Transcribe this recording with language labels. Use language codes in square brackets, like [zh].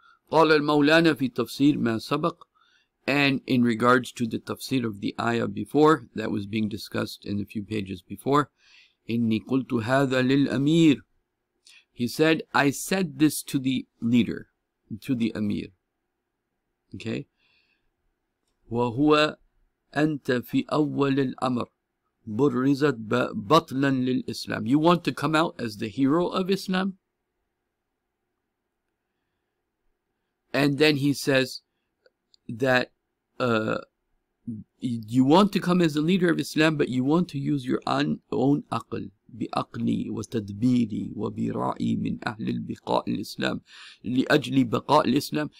[ar] قال المولانا في تفسير ما سبق, [en] and in regards to the tafsir of the ayah before that was being discussed in a few pages before, [ar] إني قلت هذا للأمير. [en] He said, I said this to the leader, to the Amir. Okay. [ar] وهو أنت في أول الأمر برزت بطلا للإسلام. [en] You want to come out as the hero of Islam? And then he says that you want to come as a leader of Islam, but you want to use your own aql, [ar] bi aqli wa tadbiri wa bi ra'i min ahli al-biqa' al-Islam, [en] li ajli baqa' al-Islam.